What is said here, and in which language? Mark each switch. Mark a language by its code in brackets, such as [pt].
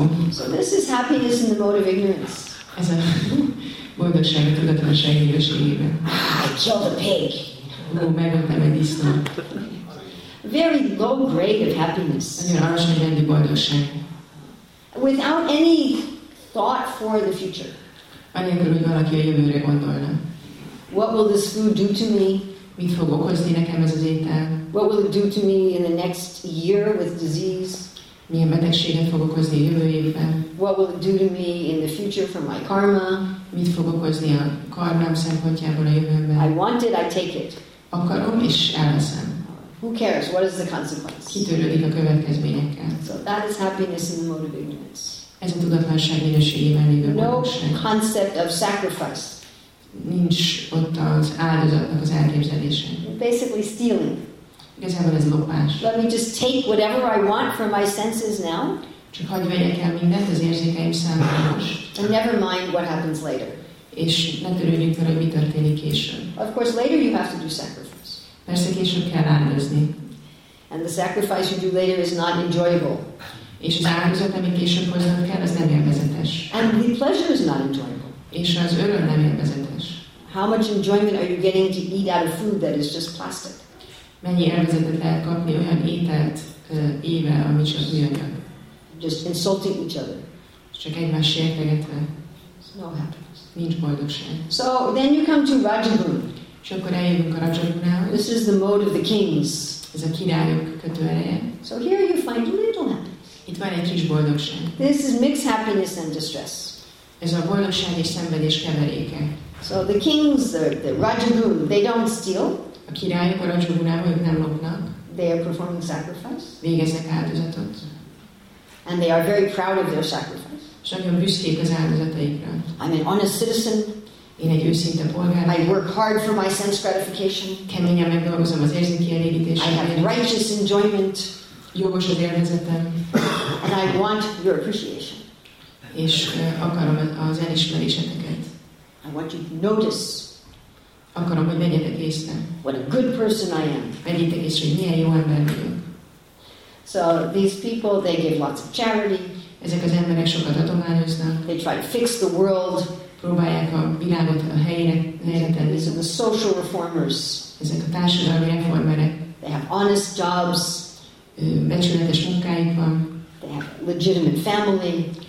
[en] So this is happiness in the mode of ignorance. [hu] Boldogság, tudatlanság éveségében. [en] I killed a pig. [hu] Megöltem egy disznót. [en] Very low grade of happiness. [hu] Nagyon alacsony rendű boldogság. [en] Without any thought for the future. [hu] Anélkül, hogy valaki a jövőre gondolna. [en] What will this food do to me? [hu] Mit fog okozni nekem ez az étel? [en] What will it do to me in the next year with disease? [hu] Milyen betegséget fog okozni jövő évben? [en] What will it do to me in the future for my karma? [hu] Mit fog okozni a karmám szempontjából a jövőben? [en] I want it, I take it. [hu] Akarom és elveszem. [en] Who cares? What is the consequence? [hu] Kitörődik a következményekkel. [en] So that is happiness in the mode of ignorance. [hu] Ez a tudatlanság minőségében lévő boldogság. [en] No concept of sacrifice. [hu] Nincs ott az áldozatnak az elképzelése. [en] Basically stealing. [hu] Igazából ez lopás. [en] Let me just take whatever I want from my senses now. [hu] Csak hagyj vegyek el mindent az érzékeim számára most. [en] And never mind what happens later. [hu] És ne törődjünk fel, hogy mi történik később. [en] Of course, later you have to do sacrifice. [hu] Persze később kell áldozni. [en] And the sacrifice you do later is not enjoyable. [hu] És az áldozat, amit később hoznak kell, az nem élvezetes. [en] And the pleasure is not enjoyable. [hu] És az öröm nem élvezetes. [en] How much enjoyment are you getting to eat out of food that is just plastic? [hu] Mennyi élvezetet lehet kapni olyan ételt éve, ami csak műanyag? [en] Just insulting each other. [hu] Csak egymás sértegetve. [en] No happiness. [hu] Nincs boldogság. [en] So then you come to Rajagun. [hu] És akkor eljövünk a Rajagunál. [en] This is the mode of the kings. [hu] Ez a királyok kötőereje. [en] So here you find a little happiness. [hu] Itt van egy kis boldogság. [en] This is mixed happiness and distress. [hu] Ez a boldogság és szenvedés keveréke. [en] So the kings, the Rajagun, they don't steal. [hu] A királyok a Rajagunál, ők nem lopnak. [en] They are performing sacrifice. [hu] Végeznek áldozatot. [en] And they are very proud of their sacrifice. [hu] Nagyon büszkék az áldozataikra. [en] I'm an honest citizen. [hu] Én egy őszinte polgár. [en] I work hard for my sense gratification. [hu] Keményen megdolgozom az érzékkielégítésre. [en] I have righteous enjoyment. [hu] Jogos az élvezetem. [en] And I want your appreciation. [hu] És akarom az elismeréseteket. [en] I want you to notice. [hu] Akarom, hogy vegyetek észre. [en] What a good person I am. [hu] Vegyétek észre, hogy milyen jó ember vagyok. [en] So these people, they give lots of charity. [hu] Ezek az emberek sokat adományoznak. [en] They try to fix the world. [hu] Próbálják a világot a helyére tenni. [en] These are the social reformers. [hu] Ezek a társadalmi reformerek. [en] They have honest jobs. [hu] Becsületes munkáik van. [en] They have legitimate family.